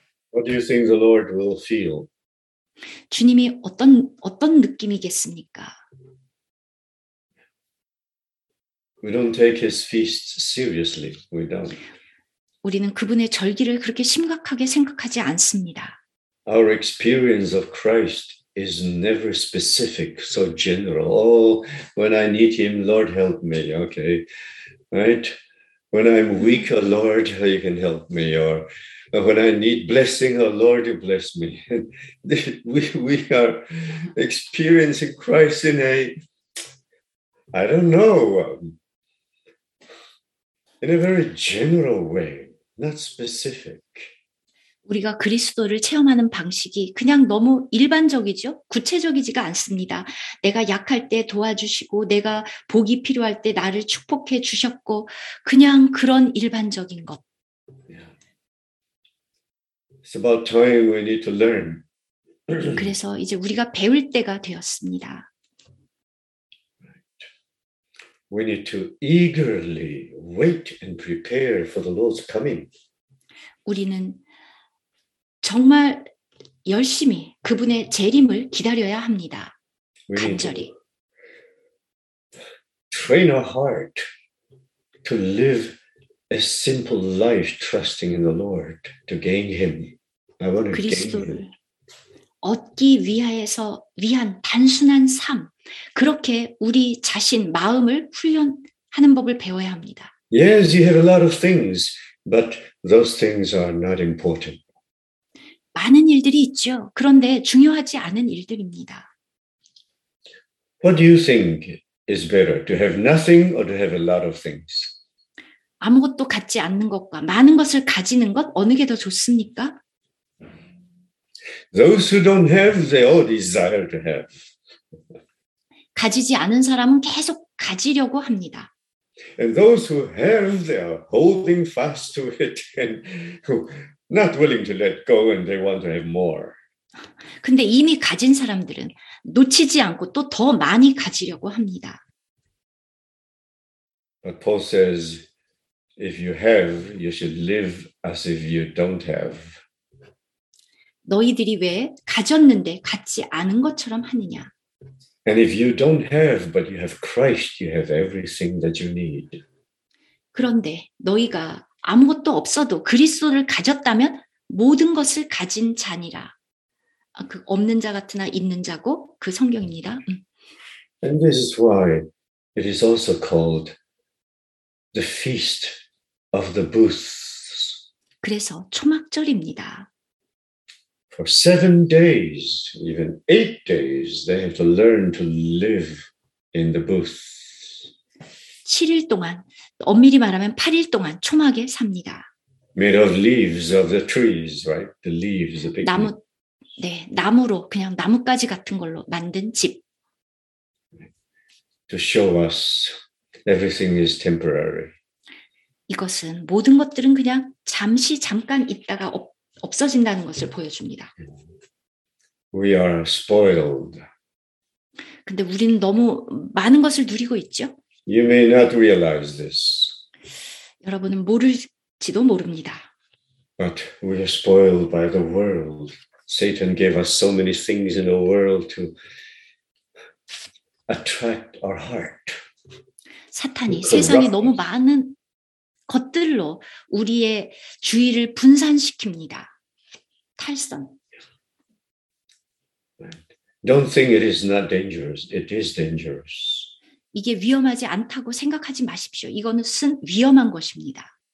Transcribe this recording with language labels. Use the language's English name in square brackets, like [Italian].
[English] What do you think the Lord will feel? [Korean] 주님이 어떤 느낌이겠습니까? [English] We don't take his feasts seriously. We don't. [Korean] 우리는 그분의 절기를 그렇게 심각하게 생각하지 않습니다. [English] Our experience of Christ is never specific, so general. Oh, when I need him, Lord, help me. Okay, right? When I'm weak, oh Lord, you can help me. Or when I need blessing, oh Lord, you bless me. We are experiencing Christ in a, I don't know, in a very general way, not specific. [Korean] 우리가 그리스도를 체험하는 방식이 그냥 너무 일반적이죠? 구체적이지가 않습니다. 내가 약할 때 도와주시고 내가 복이 필요할 때 나를 축복해 주셨고 그냥 그런 일반적인 것. [English] Yeah. It's about time we need to learn. [Korean] 그래서 이제 우리가 배울 때가 되었습니다. [English] We need to eagerly wait and prepare for the Lord's coming. [Korean] 우리는 정말 열심히 그분의 재림을 기다려야 합니다. 간절히. [English] Train our heart to live a simple life trusting in the Lord to gain him. I want to gain him. [Korean] 그리스도를 얻기 위해서 위한 단순한 삶. 그렇게 우리 자신 마음을 훈련하는 법을 배워야 합니다. [English] Yes, you have a lot of things, but those things are not important. [Korean] 많은 일들이 있죠. 그런데 중요하지 않은 일들입니다. [English] What do you think is better, to have nothing or to have a lot of things? [Korean] 아무것도 갖지 않는 것과 많은 것을 가지는 것, 어느 게 더 좋습니까? [English] Those who don't have, they all desire to have. [Korean] 가지지 않은 사람은 계속 가지려고 합니다. [English] And those who have, they are holding fast to it and not willing to let go and they want to have more. [Korean] 근데 이미 가진 사람들은 놓치지 않고 또 더 많이 가지려고 합니다. [English] But Paul says, if you have, you should live as if you don't have. [Korean] 너희들이 왜 가졌는데 갖지 않은 것처럼 하느냐? [English] And if you don't have, but you have Christ, you have everything that you need. [Korean] 그런데 너희가 아무것도 없어도 그리스도를 가졌다면 모든 것을 가진 자니라. 그 없는 자 같으나 있는 자고 그 성경입니다. [English] And this is why it is also called the Feast of the Booths. [Korean] 그래서 초막절입니다. [English] For 7 days, even 8 days, they have to learn to live in the booths. [Korean] 7일 동안, 엄밀히 말하면 8일 동안 초막에 삽니다. [English] Made of leaves of the trees, right? The leaves, the big [Korean] 나무, 네, 나무로, 그냥 나뭇가지 같은 걸로 만든 집. [English] To show us everything is temporary. [Korean] 이것은 모든 것들은 그냥 잠시 잠깐 있다가 없어진다는 것을 보여줍니다. [English] We are spoiled. [Korean] 근데 우리는 너무 많은 것을 누리고 있죠? [English] You may not realize this. [Korean] 여러분은 모를지도 모릅니다. [English] But we are spoiled by the world. Satan gave us so many things in the world to attract our heart. [Korean] 사탄이 세상에 너무 많은 것들로 우리의 주의를 분산시킵니다. 탈선. [English] Don't think it is not dangerous. It is dangerous. [Korean] 이게 위험하지 않다고 생각하지 마십시오. 이것은 위험한 것입니다.